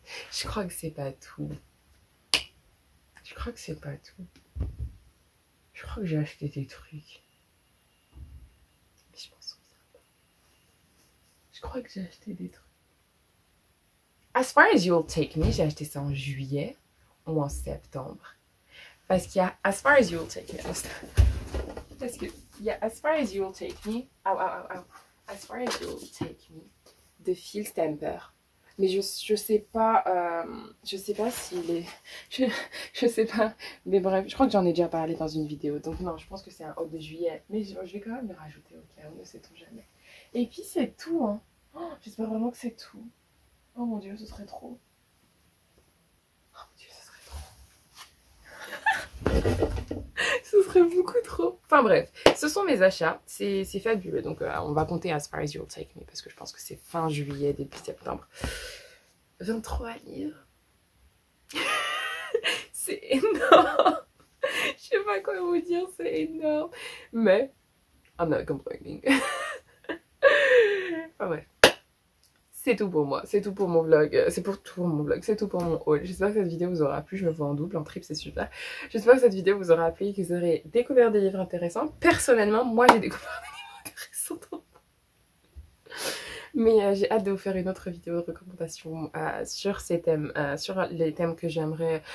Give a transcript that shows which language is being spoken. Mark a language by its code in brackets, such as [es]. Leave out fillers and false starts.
[fr] Je crois que c'est pas tout. Je crois que c'est pas tout. Je crois que j'ai acheté des trucs. Je crois que j'ai acheté des trucs. As far as you'll take me, j'ai acheté ça en juillet ou en septembre. Parce qu'il y a As far as you'll take me. Parce qu'il y a As far as you'll take me. Oh, oh, oh, oh. As far as you'll take me. De Phil Stamper. Mais je sais pas. Je sais pas s'il est. Je sais pas. Mais bref, je crois que j'en ai déjà parlé dans une vidéo. Donc non, je pense que c'est un haul de juillet. Mais je vais quand même le rajouter, ok? On ne sait-on jamais. Et puis c'est tout, hein. Oh, j'espère vraiment que c'est tout. Oh mon Dieu, ce serait trop. Ce serait beaucoup trop. Enfin bref, ce sont mes achats. C'est fabuleux. Donc on va compter As far as you'll take me parce que je pense que c'est fin juillet, début septembre. 23 livres. C'est énorme. Je sais pas. pas quoi vous dire, c'est énorme. [en] Mais, I'm not complaining. [fr] Enfin bref. C'est tout pour moi, c'est tout pour mon vlog, c'est pour tout pour mon vlog, c'est tout pour mon haul. J'espère que cette vidéo vous aura plu, je me vois en double, en triple, c'est super. J'espère que cette vidéo vous aura plu, que vous aurez découvert des livres intéressants. Personnellement, moi j'ai découvert des livres intéressants. Mais j'ai hâte de vous faire une autre vidéo de recommandation sur ces thèmes, sur les thèmes que j'aimerais.